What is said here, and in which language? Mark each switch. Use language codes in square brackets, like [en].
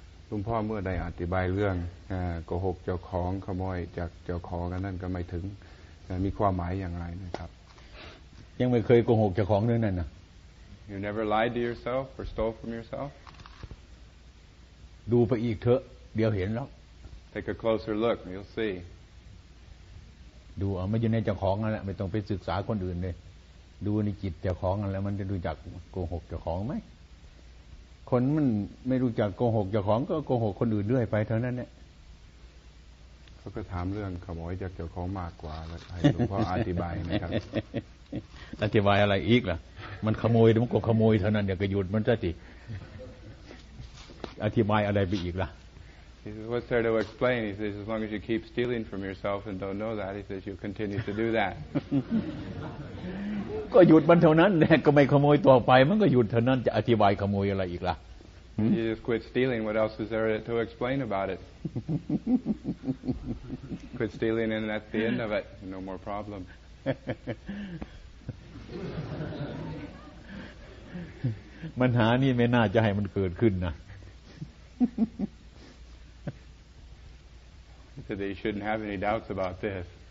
[th] ลุงพ่อเมื่อได้อธิบายเรื่องโกหกเจ้าของขโมยจากเจ้าของนั่นก็ไม่ถึงมีความหมายอย่างไรนะครับ ยังไม่เคยโกหกเจ้าของเรื่องนั้นนะ [en] You never lied to yourself or stole from yourself? [th] ดูไปอีกเถอะเดี๋ยวเห็นแล้ว [en] Take a closer look you'll see [th] ดูเอาไม่ใช่ในเจ้าของนั่นแหละไม่ต้องไปศึกษาคนอื่นเลยดูในจิตเจ้าของนั่นแหละมันจะรู้จักโกหกเจ้าของมั้ยคนมันไม่รู้จักโกหกเจ้าของก็โกหกคนอื่นเรื่อยไปเท่านั้นแหละ เขาก็ถามเรื่องขโมยจากเจ้าของมากกว่าแล้วให้หลวงพ่ออธิบายนะครับอธิบายอะไรอีกล่ะมันขโมยมันก็ขโมยเท่านั้นเดี๋ยวก็หยุดมันซะสิอธิบายอะไรไปอีกล่ะ [en] He says, what's there to explain? He says, as long as you keep stealing from yourself and don't know that, he says, you'll continue to do that. [th] ก็หยุดมันเท่านั้นแหละก็ไม่ขโมยต่อไปมันก็หยุดเท่านั้นจะอธิบายขโมยอะไรอีกล่ะ [en] You just quit stealing. What else is there to explain about it? Quit stealing and that's the end of it. No more problem. [th] ปัญหานี่ไม่น่าจะให้มันเกิดขึ้นนะ [en] So they shouldn't have any doubts about this.